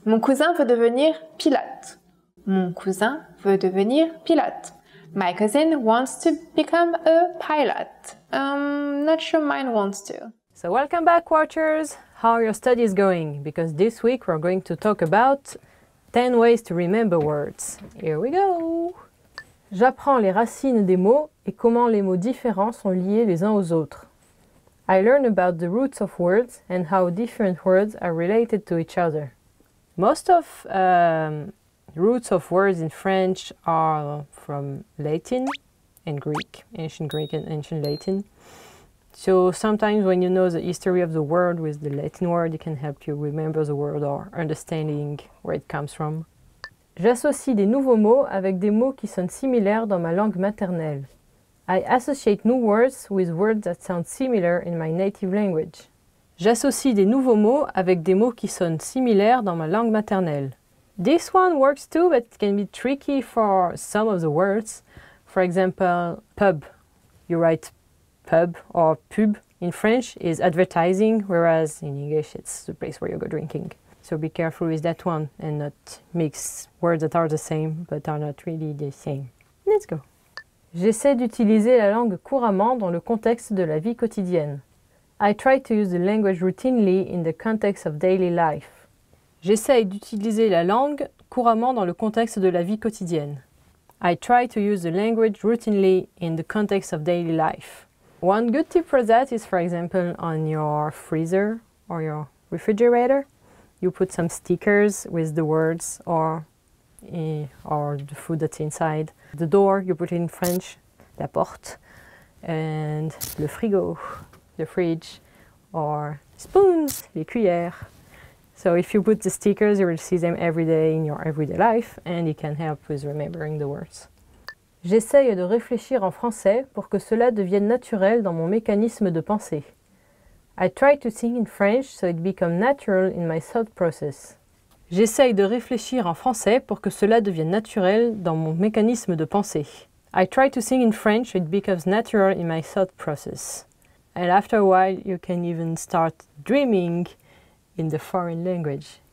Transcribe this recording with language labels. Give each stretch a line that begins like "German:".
French: Mon cousin veut devenir pilote. Mon cousin veut devenir pilote.
English: My cousin wants to become a pilot. Not sure mine wants to. So welcome back, watchers. How are your studies going? Because this week we're going to talk about 10 ways to remember words. Here we go.
French: J'apprends les racines des mots et comment les mots différents sont liés les uns aux autres.
English: I learn about the roots of words and how different words are related to each other. Most of roots of words in French are from Latin and Greek, ancient Greek and ancient Latin. So sometimes when you know the history of the word with the Latin word, it can help you remember the word or understanding where it comes from.
French: J'associe des nouveaux mots avec des mots qui sont similaires dans ma langue maternelle.
English: I associate new words with words that sound similar in my native language.
French: J'associe des nouveaux mots avec des mots qui sonnent similaires dans ma langue maternelle.
English: This one works too, but it can be tricky for some of the words. For example, pub. You write pub or pub in French is advertising, whereas in English it's the place where you go drinking. So be careful with that one and not mix words that are the same but are not really the same. Let's go.
French: J'essaie d'utiliser la langue couramment dans le contexte de la vie quotidienne.
English: I try to use the language routinely in the context of daily life.
French: J'essaie d'utiliser la langue couramment dans le contexte de la vie quotidienne.
English: I try to use the language routinely in the context of daily life. One good tip for that is, for example, on your freezer or your refrigerator, you put some stickers with the words or the food that's inside. The door, you put it in French,
French: la porte,
English: and
French: le frigo,
English: the fridge, or spoons,
French: les cuillères.
English: So if you put the stickers, you will see them every day in your everyday life, and it can help with remembering the words.
French: J'essaye de réfléchir en français pour que cela devienne naturel dans mon mécanisme de pensée.
English: I try to think in French so it becomes natural in my thought process.
French: J'essaye de réfléchir en français pour que cela devienne naturel dans mon mécanisme de pensée.
English: I try to think in French, it becomes natural in my thought process. And after a while, you can even start dreaming in the foreign language.